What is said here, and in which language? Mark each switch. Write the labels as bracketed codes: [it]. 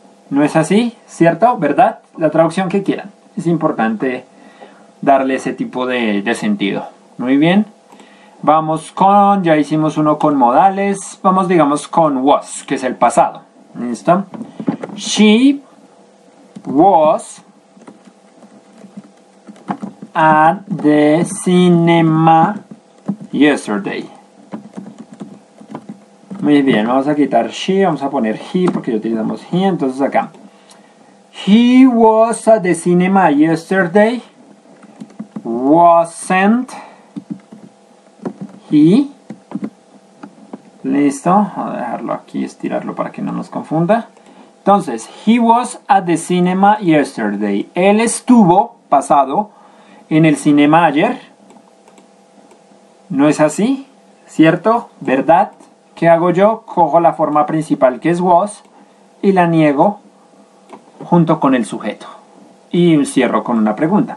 [es] ¿No es así? ¿Cierto? ¿Verdad? La traducción que quieran. Es importante darle ese tipo de sentido. Muy bien. Vamos con, ya hicimos uno con modales, vamos digamos con was, que es el pasado. ¿Listo? [en] She was at the cinema yesterday. [es] Muy bien, vamos a quitar she, vamos a poner he porque ya utilizamos he. Entonces acá, [en] he was at the cinema yesterday. Wasn't he? [es] Listo, voy a dejarlo aquí, estirarlo para que no nos confunda. Entonces, [en] he was at the cinema yesterday. [es] Él estuvo, pasado, en el cinema ayer. ¿No es así? ¿Cierto? ¿Verdad? ¿Qué hago yo? Cojo la forma principal, que es was, y la niego junto con el sujeto. Y cierro con una pregunta.